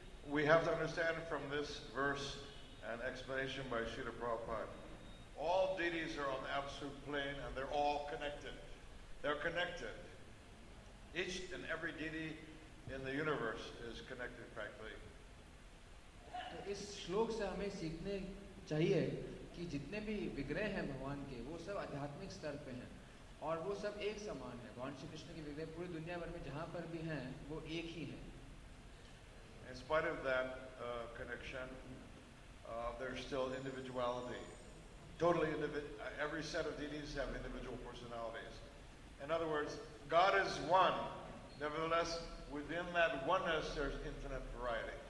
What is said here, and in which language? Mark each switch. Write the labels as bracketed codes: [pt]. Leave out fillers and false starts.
[en] We have to understand from this verse an explanation by Srila Prabhupada. All deities are on the absolute plane and they're all connected. They're connected. Each and every deity in the universe is connected practically. [hi] तो इस श्लोक से हमें सीखने चाहिए कि जितने भी विग्रह हैं भगवान के वो सब आध्यात्मिक स्तर पे हैं और वो सब एक समान है। भगवान श्री कृष्ण के विग्रह पूरी दुनिया भर में जहाँ पर भी हैं वो एक ही हैं। [en] In spite of that connection, there's still individuality. Totally individual. Every set of deities have individual personalities. In other words, God is one. Nevertheless, within that oneness, there's infinite variety.